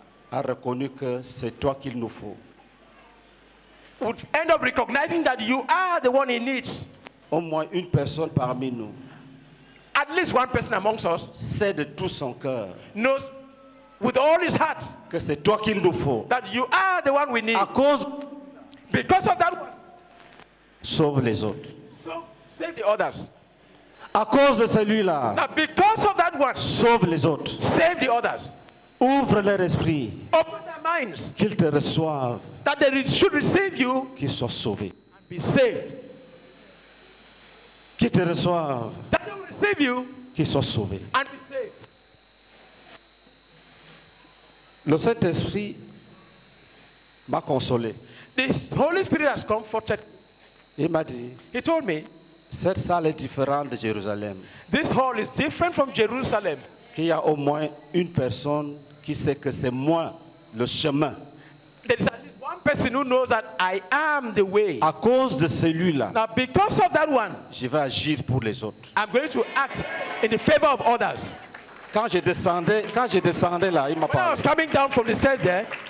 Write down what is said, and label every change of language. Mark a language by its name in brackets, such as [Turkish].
[French] A reconnu que c'est toi qu'il nous faut. [English] Would end up recognizing that you are the one he needs. [French] Au moins une personne parmi nous. [English] At least one person amongst us. [French] Sait de tout son cœur. [English] Knows with all his heart. [French] Que c'est toi qu'il nous faut. [English] That you are the one we need. [French] À cause. [English] Because of that one. [French] Sauve les autres. [English] So, save the others. [French] À cause de celui-là. [English] Now because of that one, [French] sauve les autres. [English] Save the others. [French] Ouvre leur esprit. [English] Open their minds. [French] Qu'ils te reçoivent. [English] That they should receive you. [French] Qu'ils soient sauvés. [English] And be saved. [French] Qu'ils te reçoivent. [English] That they will receive you. [French] Qu'ils soient sauvés. [English] And be saved. [French] Le Saint-Esprit m'a consolé. [English] The Holy Spirit has comforted. [French] Il m'a dit. [English] He told me. [French] Cette salle est différente de Jérusalem. [English] This hall is different from Jerusalem. [French] Qu'il y a au moins une personne qui sait que c'est moi le chemin. [English] There is at least one person who knows that I am the way. [French] À cause de celui-là. [English] Now, because of that one, [French] je vais agir pour les autres. [English] I'm going to act in the favor of others. [French] Quand je descendais là, il m'a parlé. [English] When I was coming down from the stairs there.